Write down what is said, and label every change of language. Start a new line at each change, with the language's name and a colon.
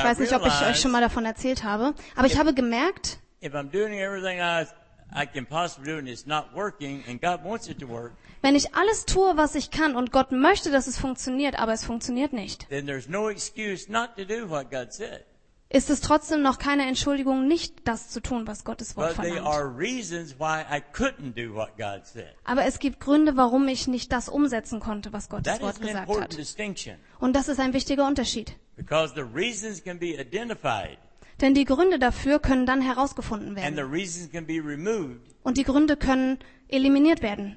German: ich weiß nicht, ob ich euch schon mal davon erzählt habe. Aber ich habe gemerkt, wenn ich alles tue, was ich kann und Gott möchte, dass es funktioniert, aber es funktioniert nicht, dann gibt keine Excuse, nicht zu tun, was Gott gesagt hat. Ist es trotzdem noch keine Entschuldigung, nicht das zu tun, was Gottes Wort verlangt.
English: But there are reasons why I couldn't do what God said.
German: Aber es gibt Gründe, warum ich nicht das umsetzen konnte, was Gottes Wort gesagt hat. Und das ist ein wichtiger Unterschied.
English: Because the reasons can be identified.
German: Denn die Gründe dafür können dann herausgefunden werden.
English: And the reasons can be removed.
German: Und die Gründe können eliminiert werden.